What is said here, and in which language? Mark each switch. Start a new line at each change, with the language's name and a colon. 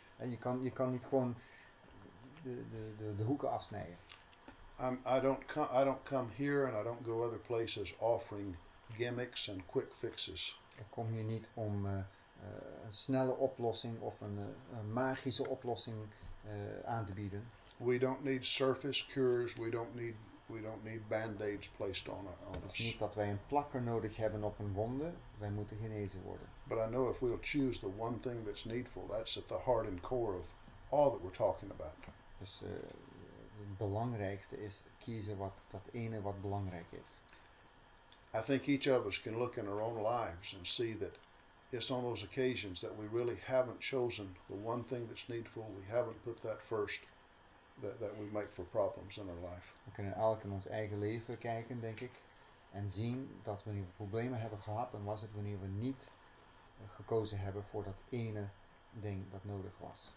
Dutch: En je kan niet gewoon de hoeken afsnijden.
English: I don't come here and I don't go other places offering gimmicks and quick fixes.
Dutch: Ik kom hier niet om een snelle oplossing of een magische oplossing aan te bieden.
English: We don't need surface cures. We don't need band-aids placed on us.
Dutch: Het is niet dat wij een plakker nodig hebben op een wonde. Wij moeten genezen worden.
English: But I know if we'll choose the one thing that's needful, that's at the heart and core of all that we're talking about.
Dutch: Dus het belangrijkste is kiezen wat dat ene wat belangrijk is.
English: I think each of us can look in our own lives and see that it's on those occasions that we really haven't chosen the one thing that's needful. We haven't put that first. That we make for problems in our life.
Dutch: We kunnen elk in ons eigen leven kijken, denk ik, en zien dat wanneer we problemen hebben gehad, dan was het wanneer we niet gekozen hebben voor dat ene ding dat nodig was.